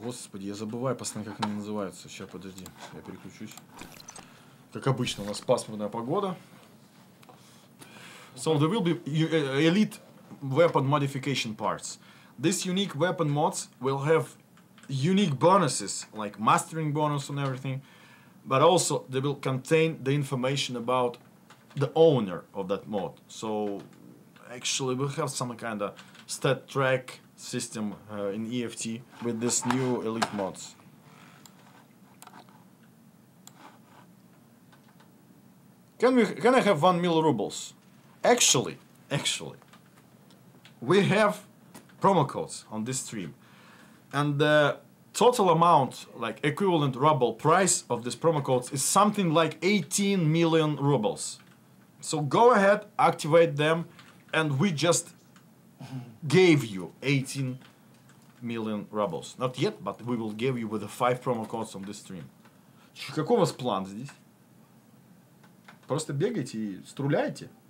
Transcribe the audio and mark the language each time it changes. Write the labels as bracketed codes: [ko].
[ru] Господи, я забываю постоянно, как они называются. Сейчас, подожди, я переключусь. Как обычно, у нас пасмурная погода. [en] So, there will be elite weapon modification parts. These unique weapon mods will have... unique bonuses like mastering bonus and everything, but also they will contain the information about the owner of that mod. So actually we have some kind of stat track system in EFT with this new elite mods. Can I have 1 million rubles? Actually we have promo codes on this stream, and the total amount, like equivalent ruble price of this promo codes, is something like 18 million rubles. So go ahead, activate them, and we just gave you 18 million rubles. Not yet, but we will give you with the 5 promo codes on this stream. [ru] Какой у вас план здесь? Просто бегайте и струляйте.